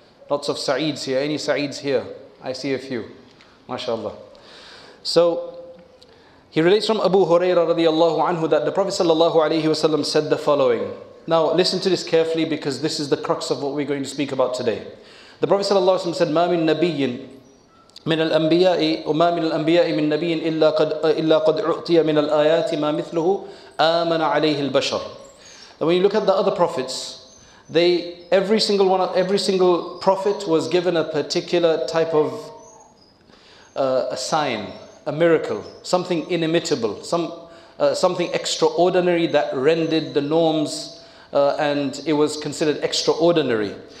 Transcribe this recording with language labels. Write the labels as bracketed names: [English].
[English] Lots of sa'eeds here. Any sa'eeds here? I see a few. MashaAllah. So he relates from Abu Hurairah radiallahu anhu that the Prophet sallallahu alayhi wasallam said the following. Now listen to this carefully because this is the crux of what we're going to speak about today. The Prophet sallallahu alayhi wasallam said, [Arabic] ما من نبي من الأنبياء وما من الأنبياء من نبي إلا قد أعطي من الآيات ما مثله آمن عليه البشر. [English] And when you look at the other prophets, every single prophet was given a particular type of a sign, a miracle, something inimitable, something extraordinary that rendered the norms and it was considered extraordinary.